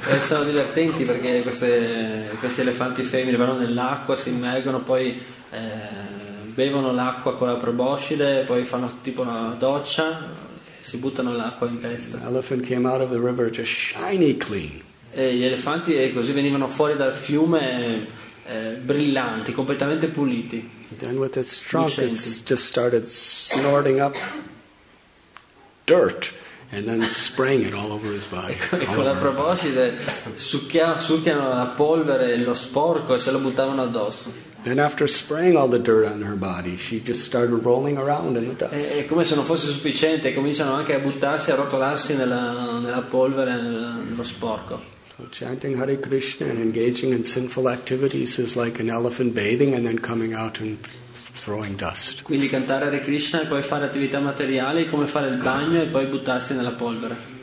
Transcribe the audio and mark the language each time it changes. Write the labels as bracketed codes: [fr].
[it] E sono divertenti perché questi elefanti femmine vanno nell'acqua, si immergono, poi bevono l'acqua con la proboscide, poi fanno tipo una doccia, si buttano l'acqua in testa. [en] Elephant came out of the river just shiny clean. [it] E gli elefanti così venivano fuori dal fiume brillanti, completamente puliti. [en] Then with its trunk, it just started snorting up dirt and then spraying it all over his body. [it] E con la proboscide succhiano la polvere e lo sporco e se lo buttavano addosso. [en] Then after spraying all the dirt on her body, she just started rolling around in the dust. [it] E come se non fosse sufficiente, cominciano anche a buttarsi e a rotolarsi nella polvere e nello sporco. [en] So chanting Hare Krishna and engaging in sinful activities is like an elephant bathing and then coming out and throwing dust. [it] Quindi cantare Hare Krishna e poi fare attività materiali è come fare il bagno e poi buttarsi nella polvere.